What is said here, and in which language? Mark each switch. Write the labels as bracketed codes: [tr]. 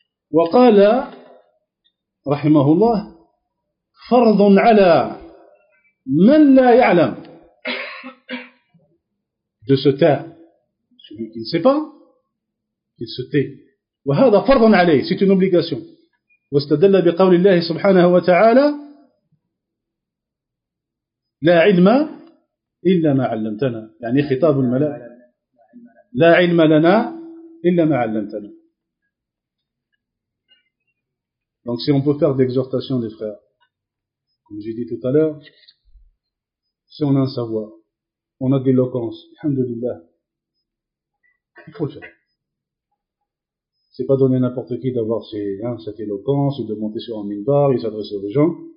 [ar] وقال رحمه الله فرض على من لا يعلم [fr] de se taire, celui qui ne sait pas qu'il se tait. [ar] وهذا فرض عليه, [fr] c'est une obligation. [ar] واستدل بقول الله سبحانه وتعالى لا علم إلا ما علمتنا, يعني خطاب الملائكة, لا علم لنا إلا ما علمتنا. [fr] Donc si on peut faire d'exhortation, les frères, comme j'ai dit tout à l'heure, si on a un savoir, on a de l'éloquence, alhamdulillah, il faut le faire. C'est pas donné à n'importe qui d'avoir cette éloquence, de monter sur un minbar et s'adresser aux gens.